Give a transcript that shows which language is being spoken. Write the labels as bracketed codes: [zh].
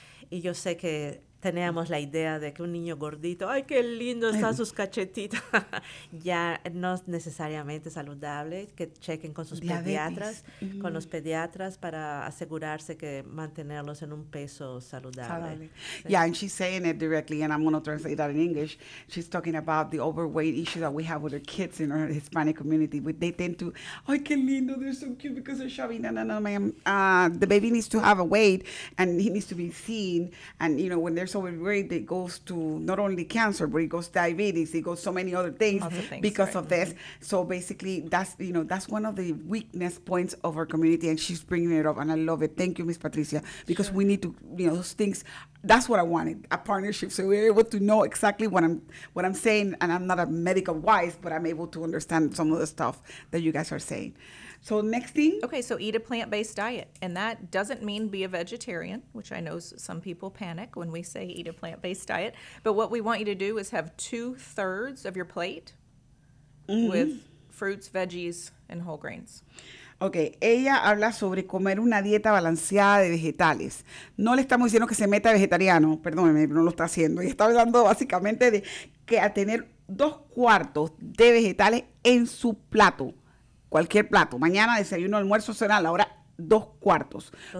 [es] Y yo sé que teníamos la idea de que un niño gordito, ¡ay, qué lindo están sus cachetitos! Ya no es necesariamente saludable, que chequen con sus pediatras, con los pediatras para asegurarse que mantenerlos en un peso saludable. Sí. [en] Yeah, and she's saying it directly, and I'm going to translate that in English. She's talking about the overweight issue that we have with our kids in our Hispanic community. They tend to, [es] ¡ay, qué lindo! [en] They're so cute because they're shoving. No, ma'am. The baby needs to have a weight, and he needs to be seen, and, you know, when they're so overweight, it goes to not only cancer, but it goes to diabetes, it goes to so many other things, because of this. So basically, that's one of the weakness points of our community, and she's bringing it up, and I love it. Thank you, Miss Patricia, because we need to, you know, those things. That's what I wanted, a partnership, so we're able to know exactly what I'm saying, and I'm not a medical wise, but I'm able to understand some of the stuff that you guys are saying. So next thing. Okay, so eat a plant-based diet. And that doesn't mean be a vegetarian, which I know some people panic when we say eat a plant-based diet. But what we want you to do is have 2/3 of your plate with fruits, veggies, and whole grains. [es] Okay, ella habla sobre comer una dieta balanceada de vegetales. No le estamos diciendo que se meta vegetariano, perdóneme, no lo está haciendo. Y está hablando básicamente de que a tener 2/4 de vegetales en su plato. Cualquier plato, mañana, desayuno, almuerzo, cena, a la hora 2/4.